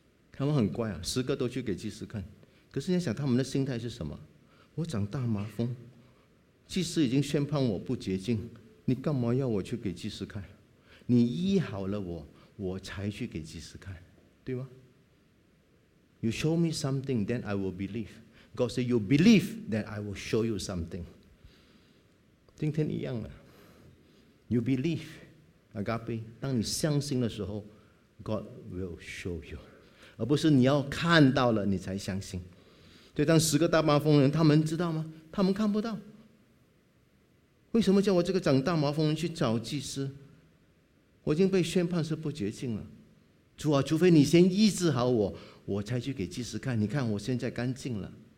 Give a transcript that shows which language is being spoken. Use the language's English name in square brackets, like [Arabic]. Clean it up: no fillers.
[Chinese] 他们很乖啊，十个都去给祭司看。可是你想他们的心态是什么？我长大麻风，祭司已经宣判我不洁净，你干嘛要我去给祭司看？你医好了我，我才去给祭司看，对吗？ [English] You show me something, then I will believe. God say, you believe, then I will show you something. [Chinese] 今天一样了。 [English] You believe, agape, [Chinese] 当你相信的时候， [English] God will show you. [Chinese] 而不是你要看到了你才相信。对，当十个大麻风人，他们知道吗？他们看不到。为什么叫我这个长大麻风人去找祭司？我已经被宣判是不洁净了，主啊，除非你先医治好我，我才去给祭司看，你看我现在干净了。